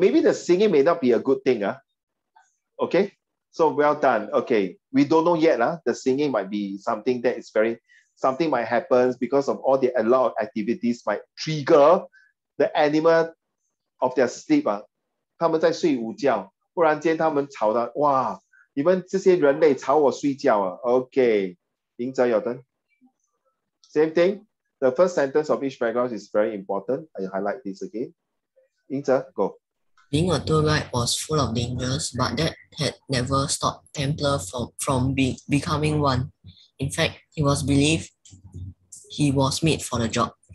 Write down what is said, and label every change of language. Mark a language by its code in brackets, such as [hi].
[en] Maybe the singing may not be a good thing. Okay, so well done. Okay, we don't know yet. The singing might be something that is very, something might happen because of all the, a lot of activities might trigger the animal of their sleep. [zh] 他们在睡午觉,忽然间他们吵到,哇, 你们这些人类吵我睡觉啊? [en] Okay, 赢者, your turn. Same thing. The first sentence of each paragraph is very important. I highlight this again. Inter, go. Being a tour guide was full of dangers, but that had never stopped Templar from becoming one. In fact, he was believed he was made for the job.